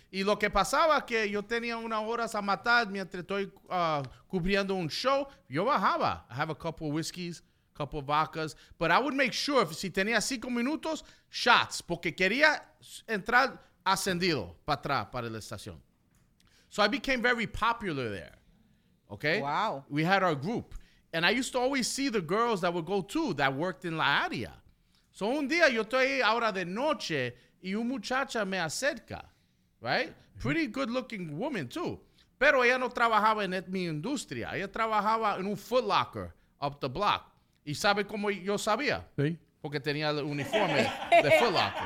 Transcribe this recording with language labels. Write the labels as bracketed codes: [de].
[es] Y lo que pasaba que yo tenía unas horas a matar mientras estoy cubriendo un show, yo bajaba. [en] I have a couple of whiskeys, a couple of vodkas. But I would make sure, [es] si tenía 5 minutos, [en] shots. [es] Porque quería entrar ascendido para atrás, para la estación. [en] So I became very popular there. Okay? Wow. We had our group. And I used to always see the girls that would go to that worked in La Aria. [es] So un día yo estoy ahora de noche y un muchacha me acerca, right? Mm-hmm. [en] Pretty good looking woman too. [es] Pero ella no trabajaba en mi industria. Ella trabajaba en un Foot Locker [en] up the block. [es] ¿Y sabe cómo yo sabía? Sí. Porque tenía el uniforme de Foot Locker.